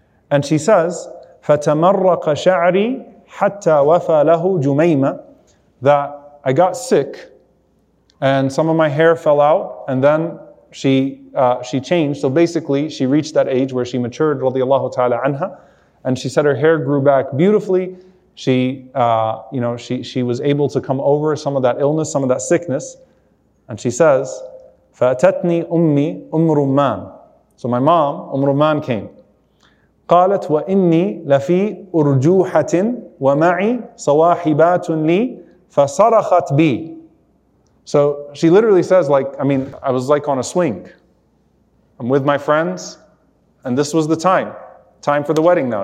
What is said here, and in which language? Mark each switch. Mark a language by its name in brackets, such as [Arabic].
[English] And she says, [Arabic] فَتَمَرَّقَ شَعْرِي حَتَّى وَفَى لَهُ جُمَيْمًا, [English] that I got sick and some of my hair fell out, and then she changed. So basically, she reached that age where she matured, radiallahu ta'ala anha. And she said her hair grew back beautifully. She was able to come over some of that illness, some of that sickness. And she says, [Arabic] فَأَتَتْنِي أُمِّي أُمُّ رُمَّان. [English] So my mom, Umm Rumman, came. [Arabic] قَالَتْ وَإِنِّي لَفِي أُرْجُوحَةٍ وَمَعِي صَوَاحِبَاتٌ لِي فَصَرَخَتْ بِي. [English] So she literally says, like, I mean, I was like on a swing. I'm with my friends, and this was the time. Time for the wedding now.